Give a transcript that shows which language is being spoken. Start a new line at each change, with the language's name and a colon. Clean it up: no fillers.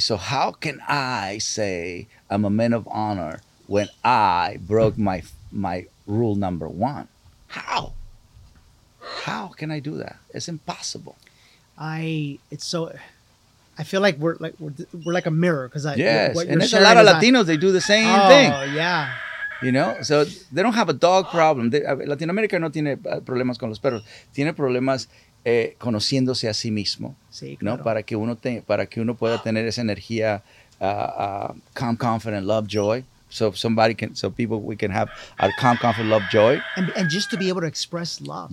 English: So how can I say I'm a man of honor when I broke my rule number one? How? How can I do that? It's impossible. I feel like we're like a mirror, because and there's a lot of Latinos. They do the same thing. Oh yeah. You know, so they don't have a dog problem.
Spanish: Latin America no tiene problemas con los perros. Tiene problemas conociéndose a sí mismo. Sí. Claro. No, para que uno pueda tener esa energía,
English: calm, confident, love, joy. So people can have a calm, comfort, love, joy. And just to be able to express love.